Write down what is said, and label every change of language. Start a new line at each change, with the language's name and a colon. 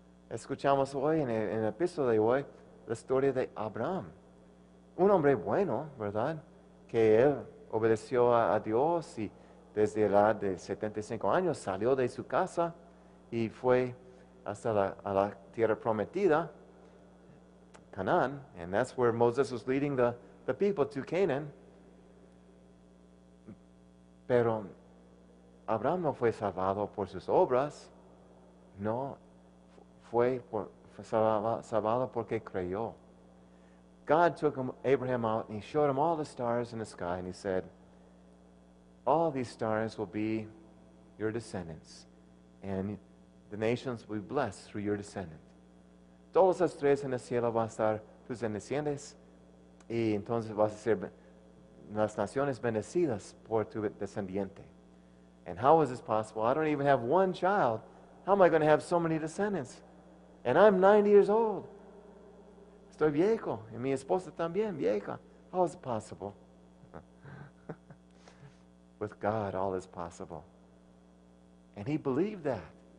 Spanish: Escuchamos hoy en el epístola de hoy la historia de Abraham. Un hombre bueno, ¿verdad? Que él obedeció a Dios y desde la edad de 75 años salió de su casa y fue hasta a la tierra prometida, Canaan.
English: And that's where Moses was leading the people to Canaan.
Spanish: Pero Abraham no fue salvado por sus obras. No, fue salvado porque creyó.
English: God took Abraham out and he showed him all the stars in the sky and he said, all these stars will be your descendants and the nations will be blessed through your descendant.
Spanish: Todas las estrellas en el cielo van a estar tus descendientes y entonces vas a ser las naciones bendecidas por tu descendiente.
English: And how is this possible? I don't even have one child. How am I going to have so many descendants? And I'm 90 years old.
Spanish: Estoy viejo, y mi esposa también, vieja.
English: How is it possible? With God, all is possible. And he believed that.